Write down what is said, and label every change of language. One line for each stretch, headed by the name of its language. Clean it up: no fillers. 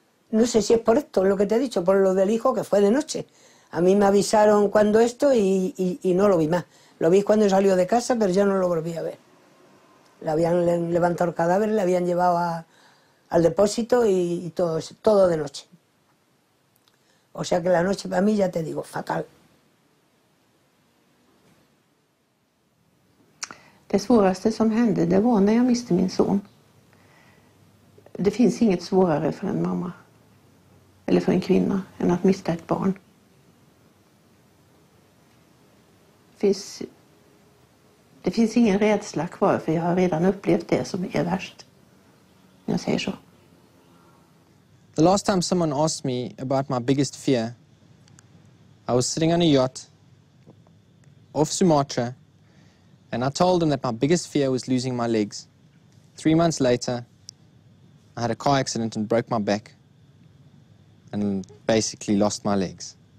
Spanish: No sé si es por esto, lo que te he dicho, por lo del hijo que fue de noche. A mí me avisaron cuando esto y no lo vi más. Lo vi cuando salió de casa, pero ya no lo volví a ver. Le habían levantado el cadáver, le habían llevado al depósito y todo de noche. O sea que la noche para mí, ya te digo, fatal.
Swedish: Det svåraste som hände, det var när jag miste min son. Det finns inget svårare för en mamma eller för en kvinna än att mista ett barn. Det finns ingen rädsla kvar, för jag har redan upplevt det som är värst. Jag säger så.
English: The last time someone asked me about my biggest fear, I was sitting on a yacht off Sumatra, and I told them that my biggest fear was losing my legs. 3 months later, I had a car accident and broke my back and basically lost my legs.